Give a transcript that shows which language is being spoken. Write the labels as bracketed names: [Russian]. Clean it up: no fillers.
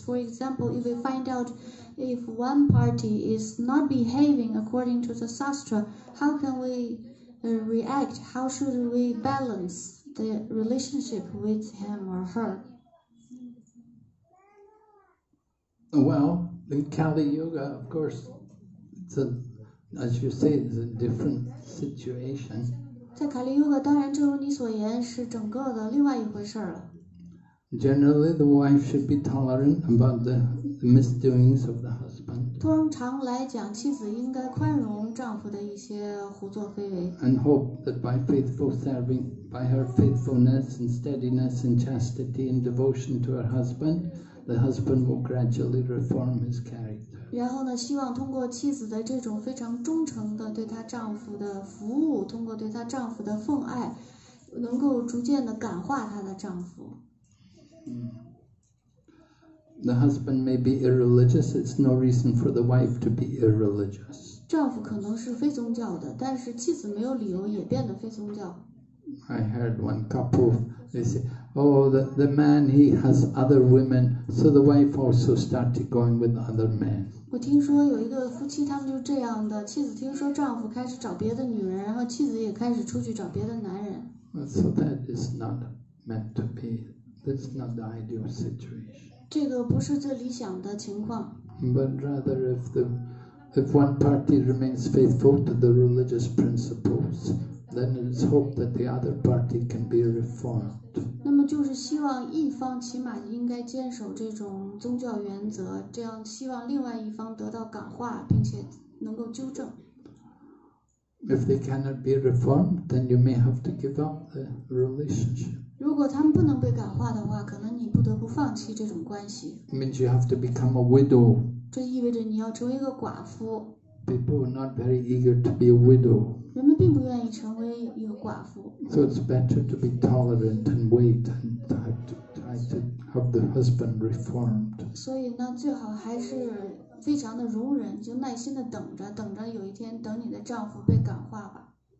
[English] For example, if we find out if one party is not behaving according to the sastra, how can we react? How should we balance the relationship with him or her? Well, in Kali Yuga, of course, as you say, it's a different situation. [Chinese] 在卡利尤格当然正如你所言是整个的另外一回事了。 [English] Generally, the wife should be tolerant about the misdoings of the husband. [Chinese] 通常来讲妻子应该宽容丈夫的一些胡作非为。 [English] And hope that by faithful serving, by her faithfulness and steadiness and chastity and devotion to her husband, the husband will gradually reform his character. [Chinese] 然后呢，希望通过妻子的这种非常忠诚的对她丈夫的服务，通过对她丈夫的奉爱，能够逐渐的感化她的丈夫。 [English] The husband may be irreligious. It's no reason for the wife to be irreligious. [Chinese] 丈夫可能是非宗教的，但是妻子没有理由也变得非宗教。 [English] I heard one couple. They say, "Oh, the man he has other women, so the wife also started going with other men." [Chinese] 我听说有一个夫妻，他们就这样的。妻子听说丈夫开始找别的女人，然后妻子也开始出去找别的男人。 [English] So that is not meant to be. That's not the ideal situation. [Chinese] 这个不是最理想的情况。 [English] But rather, if one party remains faithful to the religious principles. then it's hope that the other party can be reformed. [Chinese] 那么就是希望一方起码应该坚守这种宗教原则，这样希望另外一方得到感化，并且能够纠正。 [English] If they cannot be reformed, then you may have to give up the relationship. [Chinese] 如果他们不能被感化的话，可能你不得不放弃这种关系。 [English] It means you have to become a widow. [Chinese] 这意味着你要成为一个寡妇。 [English] People are not very eager to be a widow. [Chinese] 人们并不愿意成为一个寡妇。 [English] So it's better to be tolerant and wait and try to have the husband reformed. [Chinese] 所以呢，最好还是非常的容忍，就耐心的等着，等着有一天等你的丈夫被感化吧。